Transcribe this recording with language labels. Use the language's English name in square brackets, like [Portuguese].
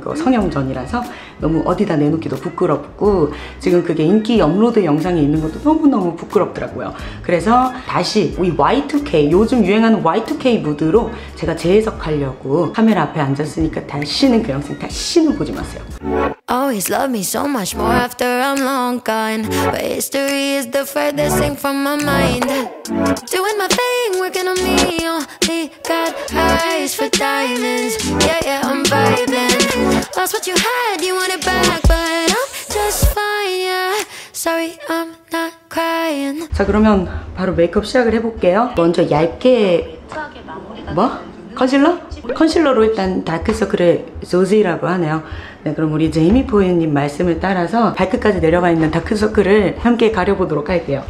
[Korean] 그거 성형전이라서 너무 어디다 내놓기도 부끄럽고 지금 그게 인기 업로드 영상에 있는 것도 너무너무 부끄럽더라고요. 그래서 다시 우리 Y2K 요즘 유행하는 Y2K 무드로 제가 재해석하려고 카메라 앞에 앉았으니까 다시는 그 영상 다시는 보지 마세요. [English] Always love me so much more after I'm long gone. But history is the furthest thing from my mind. Doing my thing, working on me. Only got eyes for diamonds. Yeah, yeah, I'm vibing. Lost what you had, you want it back, but I'm just fine, yeah. Sorry, I'm not crying. [Korean] 자, 그러면 바로 메이크업 시작을 해볼게요. 먼저 얇게 뭐? 컨실러? 컨실러로 일단 다크서클의 조지라고 하네요. 네, 그럼 우리 제이미포유님 말씀을 따라서 발끝까지 내려가 있는 다크서클을 함께 가려보도록 할게요.